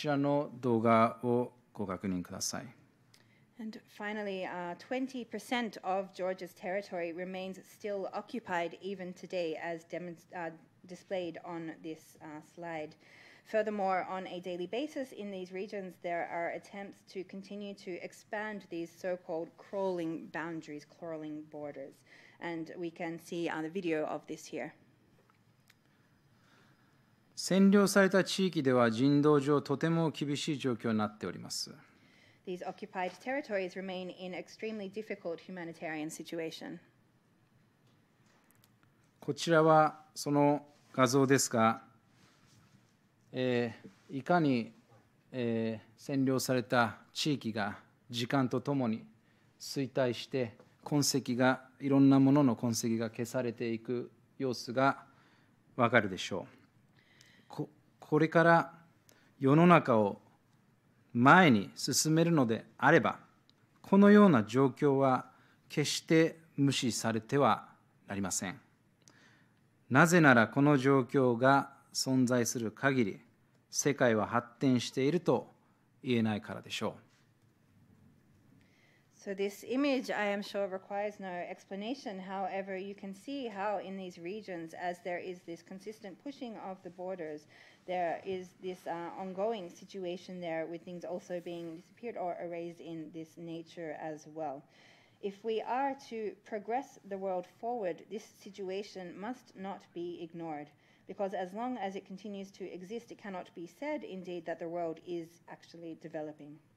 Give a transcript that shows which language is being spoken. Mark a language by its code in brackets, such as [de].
[ja] 最後にジョージアはこのように領土が今も20%占領されております。そして、その地域は日に日に動く、いわゆるハウ境界線で拡大しようとしております。こちらの動画をご確認ください。 [en] And finally, 20% of Georgia's territory remains still occupied even today, as displayed on this slide. Furthermore, on a daily basis in these regions, there are attempts to continue to expand these so-called crawling boundaries, crawling borders. And we can see the video of this here. [ja] 占領された地域では人道上とても厳しい状況になっております。 [en] These occupied territories remain in extremely difficult humanitarian situation. [ja] こちらはその画像ですが、いかに、占領された地域が時間とともに衰退して痕跡がいろんなものの痕跡が消されていく様子がわかるでしょう。これから世の中を前に進めるのであれば、このような状況は決して無視されてはなりません。なぜならこの状況が存在する限り、世界は発展していると言えないからでしょう。 [en] So this image, I am sure, requires no explanation. However, you can see how in these regions, as there is this consistent pushing of the borders, there is this ongoing situation there with things also being disappeared or erased in this nature as well. If we are to progress the world forward, this situation must not be ignored, because as long as it continues to exist, it cannot be said, indeed, that the world is actually developing.